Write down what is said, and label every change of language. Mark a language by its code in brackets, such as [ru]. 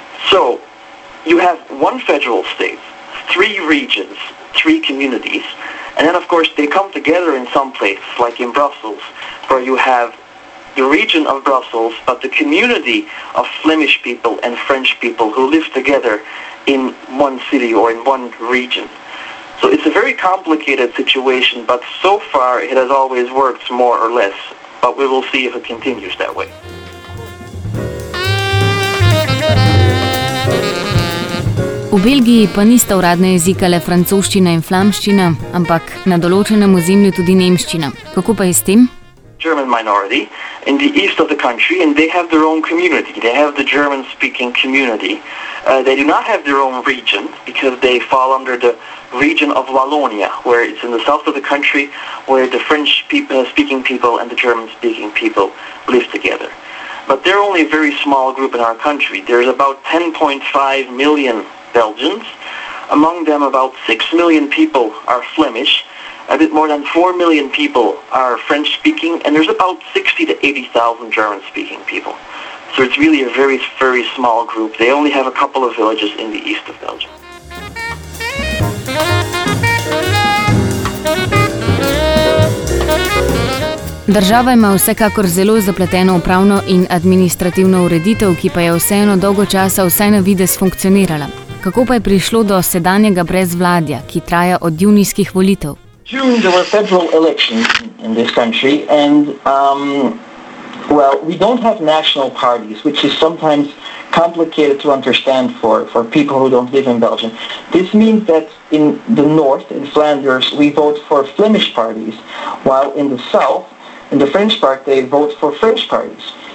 [en] So you have one federal state, three regions, three communities, and then, of course, they come together in some places, like in Brussels, where you have the region of Brussels, but the community of Flemish people and French people who live together in one city or in one region. So it's a very complicated situation, but so far it has always worked more or less. But we will see if it continues that way. [sl] V Belgiji pa nista uradna jezika le francoščina in flamščina, ampak na določenem ozemlju tudi nemščina. Kako pa je s tem? [en] German minority in the east of the country, and they have their own community. They have the German-speaking community. They do not have their own region because they fall under the region of Wallonia, where it's in the south of the country, where the French-speaking people and the German-speaking people live together. But they're only a very small group in our country. There's about 10.5 million Belgians. Among them, about 6 million people are Flemish, a bit more than 4 million people are French-speaking, and there's about 60 to 80,000 German-speaking people. So it's really a very, very small group. They only have a couple of villages in the east of Belgium. [sl] Država ima vsekakor zelo zapleteno upravno in administrativno ureditev, ki pa je vseeno dolgo časa vsaj na videz funkcionirala. Kako pa je prišlo do sedanjega brezvladja, ki traja od junijskih volitev? [en] June there were federal elections in this country, and well, we don't have national parties, which is sometimes complicated to understand for people who don't live in Belgium. This means that in the north, in Flanders, we vote for Flemish parties, while in the south, in the French part, they vote for French parties.